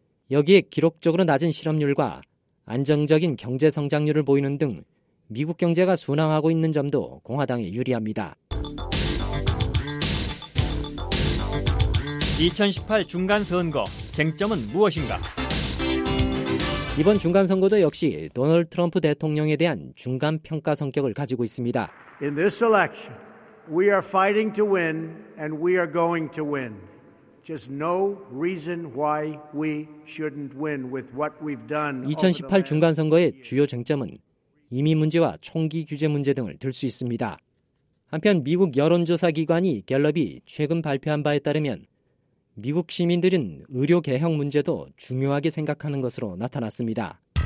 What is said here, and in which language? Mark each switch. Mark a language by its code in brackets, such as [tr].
[ko] 여기에 기록적으로 낮은 실업률과 안정적인 경제성장률을 보이는 등 미국 경제가 순항하고 있는 점도 공화당에 유리합니다. 2018 중간선거 쟁점은 무엇인가? 이번 중간선거도 역시 도널드 트럼프 대통령에 대한 중간평가 성격을 가지고 있습니다. [en] In this election, we are fighting to win and we are going to win. Just no reason why we shouldn't win with what we've done. [ko] 2018 중간선거의 주요 쟁점은 이민 문제와 총기 규제 문제 등을 들 수 있습니다. 한편 미국 여론조사기관이 갤럽이 최근 발표한 바에 따르면 미국 시민들은 의료 개혁 문제도 중요하게 생각하는 것으로 나타났습니다.